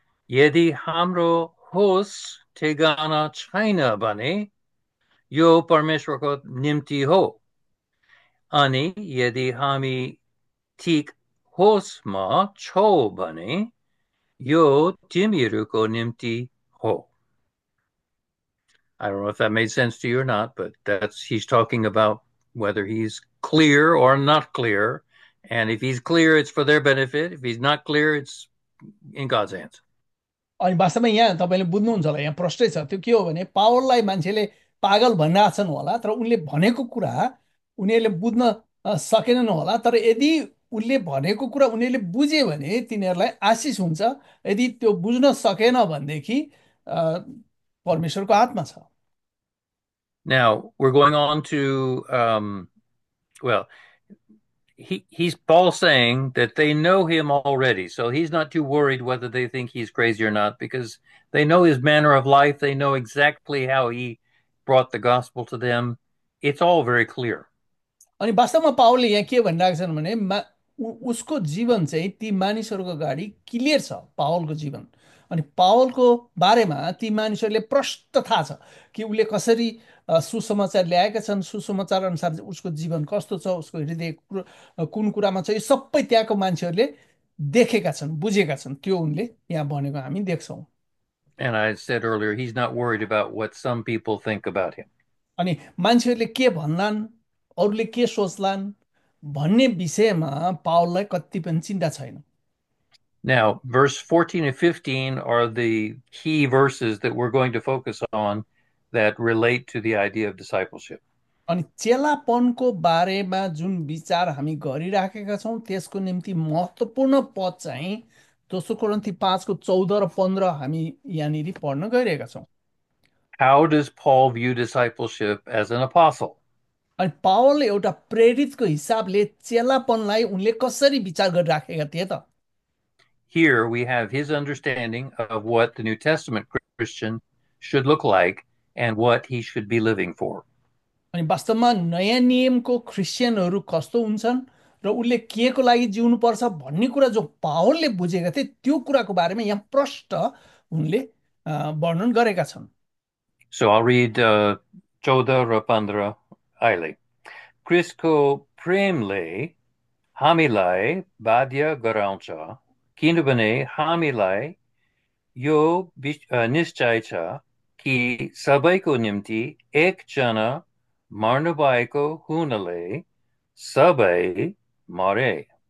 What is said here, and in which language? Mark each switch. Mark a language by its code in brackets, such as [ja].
[ne] यदि हाम्रो होस ठेगाना छैन भने यो परमेश्वरको निम्ति हो, अनि यदि हामी ठिक होसमा छौ भने यो तिमीहरूको निम्ति हो। [en] I don't know if that made sense to you or not, but that's he's talking about whether he's clear or not clear. And if he's clear, it's for their benefit. If he's not clear, it's in God's hands. [ne] अनि वास्तवमा यहाँ तपाईँले बुझ्नुहुन्छ होला, यहाँ प्रष्टै छ, त्यो के हो भने पावललाई मान्छेले पागल भनिरहेछन् होला, तर उनले भनेको कुरा उनीहरूले बुझ्न सकेनन् होला, तर यदि उनले भनेको कुरा उनीहरूले बुझे भने तिनीहरूलाई आशिष हुन्छ, यदि त्यो बुझ्न सकेन भनेदेखि परमेश्वरको हातमा छ। [en] Now we're going on to well he's Paul saying that they know him already, so he's not too worried whether they think he's crazy or not, because they know his manner of life, they know exactly how he brought the gospel to them. It's all very clear. [ne] अनि वास्तवमा पावलले यहाँ के भनिरहेको छन् भने उसको जीवन चाहिँ ती मानिसहरूको अगाडि क्लियर छ, पावलको जीवन, अनि पावलको बारेमा ती मानिसहरूले प्रष्ट थाहा छ कि उसले कसरी सुसमाचार ल्याएका छन्, सुसमाचार अनुसार उसको जीवन कस्तो छ, उसको हृदय कुन कुरामा छ, यो सबै त्यहाँको मान्छेहरूले देखेका छन्, बुझेका छन्, त्यो उनले यहाँ भनेको हामी देख्छौँ। [en] And I said earlier, he's not worried about what some people think about him. [ne] अनि मान्छेहरूले के भन्लान्, अरूले के सोच्लान् भन्ने विषयमा पावललाई कति पनि चिन्ता छैन। [en] Now, verse 14 and 15 are the key verses that we're going to focus on that relate to the idea of discipleship. [ne] अनि चेलापनको बारेमा जुन विचार हामी गरिराखेका छौँ, त्यसको निम्ति महत्त्वपूर्ण पद चाहिँ दोस्रो कोरिन्थी 5:14-15 हामी यहाँनिर पढ्न गइरहेका छौँ। [en] How does Paul view discipleship as an apostle? [ne] अनि पावलले एउटा प्रेरितको हिसाबले चेलापनलाई उनले कसरी विचार गरिराखेका थिए त? [en] Here we have his understanding of what the New Testament Christian should look like and what he should be living for. [ne] अनि वास्तवमा नयाँ नियमको क्रिस्चियनहरू कस्तो हुन्छन् र उनले केको लागि जिउनु पर्छ भन्ने कुरा जो पावलले बुझेका थिए, त्यो कुराको बारेमा यहाँ प्रष्ट उनले वर्णन गरेका छन्। [en] So I'll read 14 र 15 [ne] अहिले। क्रिस्टको प्रेमले हामीलाई बाध्य गराउँछ किनभने हामीलाई यो निश्चय छ कि सबैको निम्ति एकजना मर्नुभएको हुनाले सबै मरे।